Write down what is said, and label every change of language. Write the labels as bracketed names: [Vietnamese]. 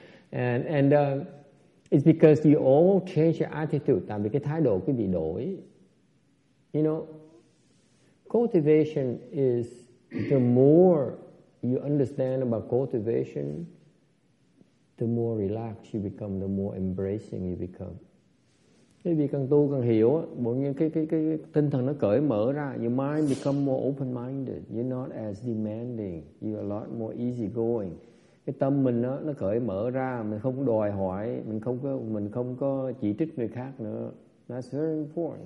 [English] And it's because you all change your attitude, [Vietnamese] tại vì cái thái độ quý vị đổi. [English] You know, cultivation is the more you understand about cultivation, the more relaxed you become, the more embracing you become. [Vietnamese] Quý vị càng tu càng hiểu, bởi vì cái tinh thần nó cởi mở ra. [English] Your mind become more open-minded. You're not as demanding. You're a lot more easygoing. [Vietnamese] Cái tâm mình nó cởi mở ra, mình không đòi hỏi, mình không có chỉ trích người khác nữa. [English] That's very important.